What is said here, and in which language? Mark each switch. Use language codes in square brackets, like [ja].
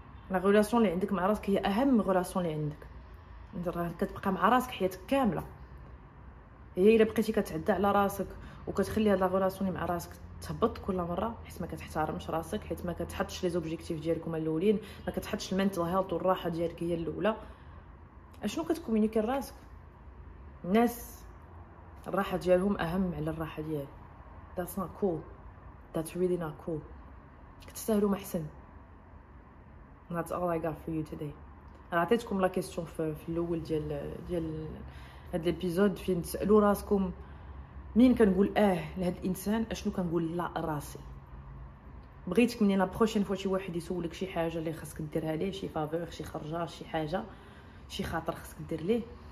[ar] لا ريلاسيون اللي عندك مع راسك هي اهم ريلاسيون اللي عندك، انت راه كتبقى مع راسك حياتك كامله، هي الا بقيتي كتعدى على راسك وكتخلي هاد لا ريلاسيون مع راسك تهبط كل مره حيت ما كتحترمش راسك، حيت ما كتحطش لي زوبجيكتيف ديالك هما الاولين، ما كتحطش [en] المنتال هيلث [ar] والراحه ديالك هي الاولى، اشنو كتكومونيكي لراسك؟ الناس الراحه ديالهم اهم على الراحه ديالك. [en] That's not cool, that's really not cool. [ar] كتستاهلوا محسن. [en] That's all I got for you today. [ar] انا عطيتكم [fr] لا كيسيون [ar] في الاول ديال هاد الابيزود فين تسالوا راسكم مين كنقول اه لهذا الانسان، اشنو كنقول لا راسي. بغيتك منين [fr] لا بروشين فوا [ar] شي واحد يسولك شي حاجه اللي خاصك ديرها ليه، شي فافور، شي خرجه، شي حاجه، شي خاطر خاصك دير ليه،